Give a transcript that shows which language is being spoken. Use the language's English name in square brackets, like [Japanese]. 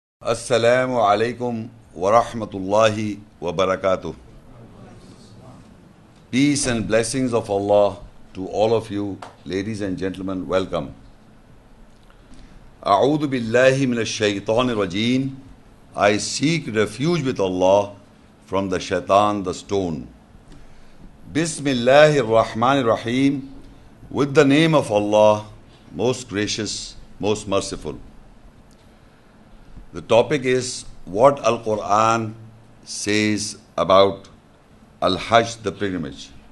[Arabic] السلام عليكم ورحمة الله وبركاته. [English] Peace and blessings of Allah to all of you, ladies and gentlemen, welcome. [Arabic] أعوذ بالله من الشيطان الرجيم. [English] I seek refuge with Allah from the shaitan, the stone. [Arabic] بسم الله الرحمن الرحيم. [English] With the name of Allah, most gracious, most merciful. The topic is what Al-Quran says about Al-Hajj, the pilgrimage.